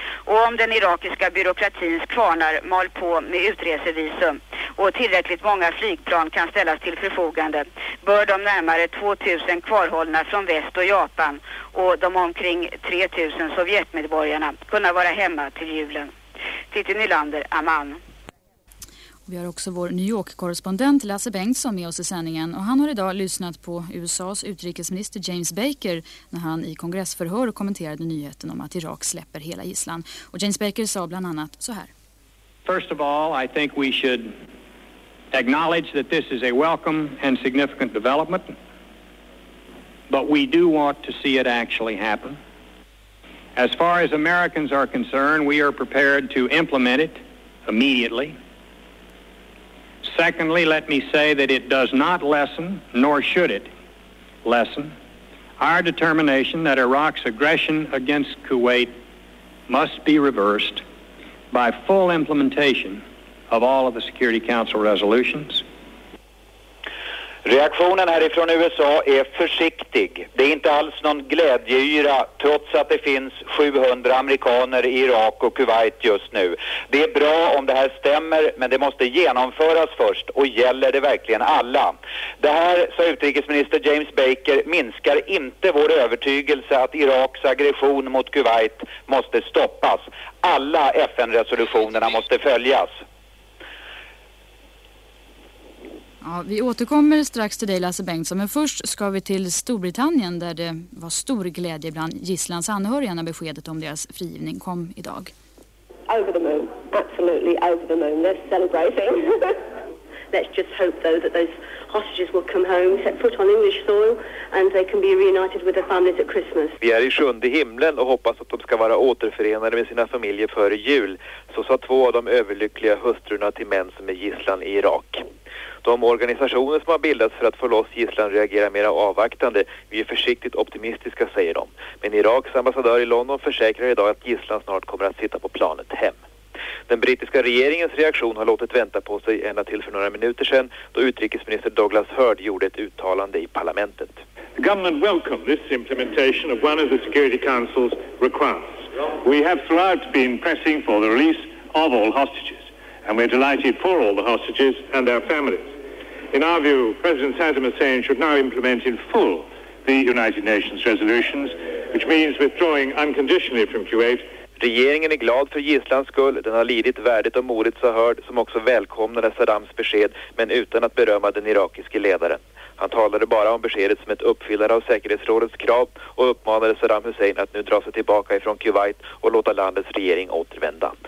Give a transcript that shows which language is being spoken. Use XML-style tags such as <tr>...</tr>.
<sv>Och om den irakiska byråkratins kvarnar mal på med utresevisum och tillräckligt många flygplan kan ställas till förfogande, bör de närmare 2000 kvarhållna från väst och Japan och de omkring 3000 sovjetmedborgarna kunna vara hemma till julen. Titti Nylander, Amman. Vi har också vår New York-korrespondent Lasse Bengtsson med oss i sändningen, och han har idag lyssnat på USAs utrikesminister James Baker när han i kongressförhör kommenterade nyheten om att Irak släpper hela gisslan. Och James Baker sa bland annat så här.</sv> <en>First of all, I think we should acknowledge that this is a welcome and significant development, but we do want to see it actually happen. As far as Americans are concerned, we are prepared to implement it immediately. Secondly, let me say that it does not lessen, nor should it lessen, our determination that Iraq's aggression against Kuwait must be reversed by full implementation of all of the Security Council resolutions.</en> <sv>Reaktionen härifrån USA är försiktig. Det är inte alls någon glädjeyra trots att det finns 700 amerikaner i Irak och Kuwait just nu. Det är bra om det här stämmer, men det måste genomföras först, och gäller det verkligen alla? Det här, sa utrikesminister James Baker, minskar inte vår övertygelse att Iraks aggression mot Kuwait måste stoppas. Alla FN-resolutionerna måste följas. Ja, vi återkommer strax till dig, Lasse Bengtsson, men först ska vi till Storbritannien där det var stor glädje bland gisslans anhöriga när beskedet om deras frigivning kom idag.</sv> <en>Over the moon, absolutely over the moon. They're celebrating. Let's just hope though that those hostages will come home, set foot on English soil and they can be reunited with their families at Christmas.</en> <sv>Vi är i sjunde himlen och hoppas att de ska vara återförenade med sina familjer före jul, så sa två av de överlyckliga hustrurna till män som är gisslan i Irak. De organisationer som har bildats för att få loss gisslan reagerar mer avvaktande. Vi är försiktigt optimistiska, säger de. Men Iraks ambassadör i London försäkrar idag att gisslan snart kommer att sitta på planet hem. Den brittiska regeringens reaktion har låtit vänta på sig ända till för några minuter sedan, då utrikesminister Douglas Hurd gjorde ett uttalande i parlamentet.</sv> <en>The government welcomed this implementation of one of the Security Council's requirements. We have throughout been pressing for the release of all hostages. And we're delighted for all the hostages and their families. In our view, President Saddam Hussein should now implement in full the United Nations resolutions, which means withdrawing unconditionally from Kuwait.</en> <sv>Regeringen är glad för gisslans skull. Den har lidit värdigt och modigt, sa Hurd, som också välkomnade Saddams besked, men utan att berömma den irakiske ledaren. Han talade bara om beskedet som ett uppfyllande av säkerhetsrådets krav och uppmanade Saddam Hussein att nu dra sig tillbaka ifrån Kuwait och låta landets regering återvända.</sv>